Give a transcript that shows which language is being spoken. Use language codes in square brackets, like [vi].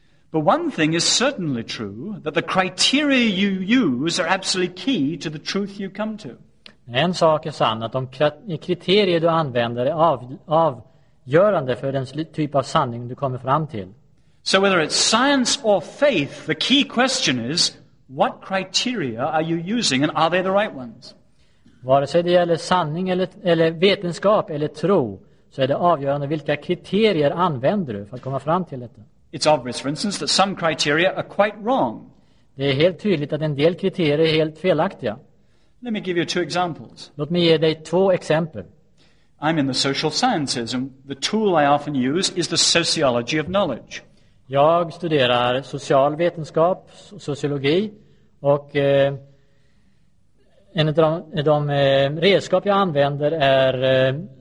[en] But one thing is certainly true, that the criteria you use are absolutely key to the truth you come to. [sv] En sak är sann, att de kriterier du använder är avgörande för den typ av sanning du kommer fram till. [en] So whether it's science or faith, the key question is, what criteria are you using and are they the right ones? [sv] Vare sig det gäller sanning eller vetenskap eller tro, så är det avgörande vilka kriterier använder du för att komma fram till detta. [en] It's obvious, for instance, that some criteria are quite wrong. [sv] Det är helt tydligt att en del kriterier är helt felaktiga. [en] Let me give you two examples. [sv] Låt mig ge dig två exempel. [en] I'm in the social sciences and the tool I often use is the sociology of knowledge. [sv] Jag studerar socialvetenskap och sociologi och en av de redskap jag använder är